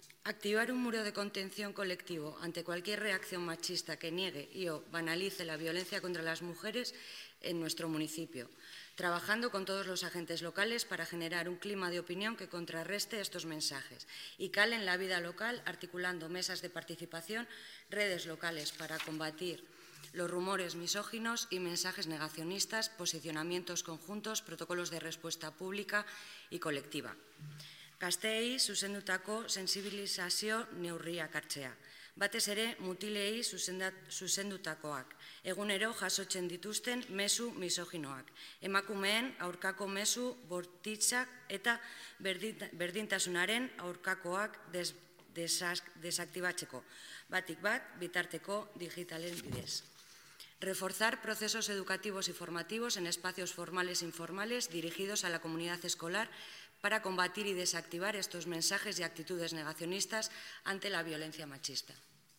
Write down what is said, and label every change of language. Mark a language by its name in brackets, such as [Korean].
[Spanish] Activar un muro de contención colectivo ante cualquier reacción machista que niegue y o banalice la violencia contra las mujeres en nuestro municipio, trabajando con todos los agentes locales para generar un clima de opinión que contrarreste estos mensajes y cale en la vida local, articulando mesas de participación, redes locales para combatir los rumores misóginos y mensajes negacionistas, posicionamientos conjuntos, protocolos de respuesta pública y colectiva. [Basque] Gazteei zuzendutako sensibilizazio neurriak hartzea. Batez ere, mutilei zuzendutakoak. Egunero jasotzen dituzten mezu misoginoak. Emakumeen aurkako mezu bortitzak eta berdintasunaren aurkakoak desaktibatzeko. Batik bat, bitarteko digitalen bidez. [Spanish] Reforzar procesos educativos y formativos en espacios formales e informales dirigidos a la comunidad escolar para combatir y desactivar estos mensajes y actitudes negacionistas ante la violencia machista.